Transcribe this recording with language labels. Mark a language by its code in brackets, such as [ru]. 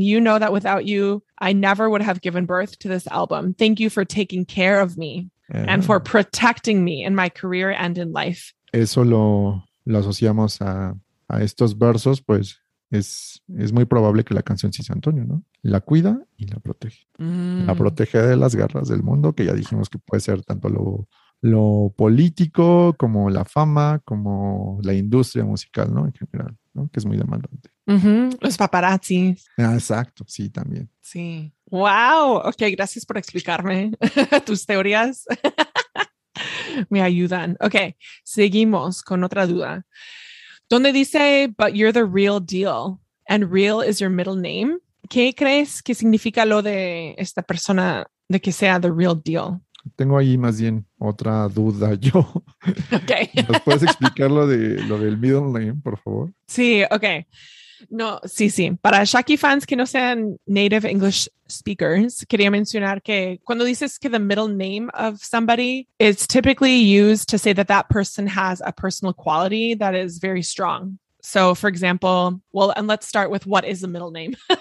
[en] You know that without you, I never would have given birth to this album. Thank you for taking care of me and for protecting me in my career and in life. [es] Eso lo asociamos a estos versos, pues es muy probable que la canción sí sea Antonio, ¿no? La cuida y la protege. Mm. La protege de las garras del mundo, que ya dijimos que puede ser tanto lo político, como la fama, como la industria musical, ¿no? En general, ¿no? Que es muy demandante. Uh-huh. Los paparazzi. Ah, exacto, sí, también. Sí. ¡Wow! Ok, gracias por explicarme tus teorías. Me ayudan. Ok, seguimos con otra duda. ¿Dónde dice, [en] but you're the real deal, and real is your middle name? [es] ¿Qué crees que significa lo de esta persona, de que sea [en] the real deal? [es] Tengo ahí más bien otra duda yo. Ok. ¿Nos puedes explicar lo del middle name, por favor? Sí, ok. No, sí, sí. Para Shaki fans que no sean [en] native English speakers, [es] quería mencionar que cuando dices que [en] the middle name of somebody, it's typically used to say that that person has a personal quality that is very strong. So, for example, well, and let's start with what is the middle name?